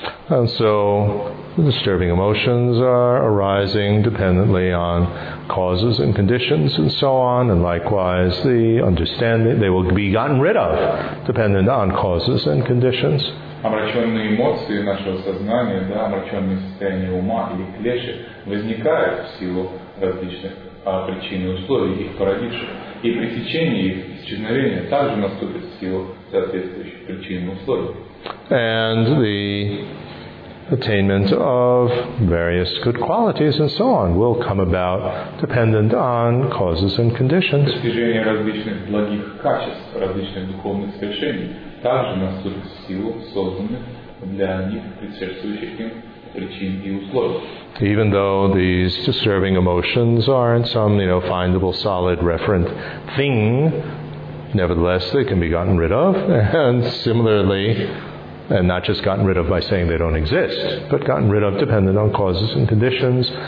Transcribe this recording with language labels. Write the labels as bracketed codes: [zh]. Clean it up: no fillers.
[en] And so the disturbing emotions are arising dependently on causes and conditions and so on, and likewise the understanding, they will be gotten rid of dependent on causes and conditions. [ru] Омраченные эмоции нашего сознания, да, омраченные состояния ума или клеши возникают в силу различных причин и условий их породивших. И пресечение их исчезновения также наступит в силу соответствующих причин и условий. [en] And the attainment of various good qualities and so on will come about dependent on causes and conditions. [ru] Достижение различных благих качеств, различных духовных свершений также наступит в силу созданных для них предшествующих им причин и условий. [en] Even though these disturbing emotions aren't some, you know, findable, solid, referent thing, nevertheless, they can be gotten rid of, and similarly, and not just gotten rid of by saying they don't exist, but gotten rid of dependent on causes and conditions.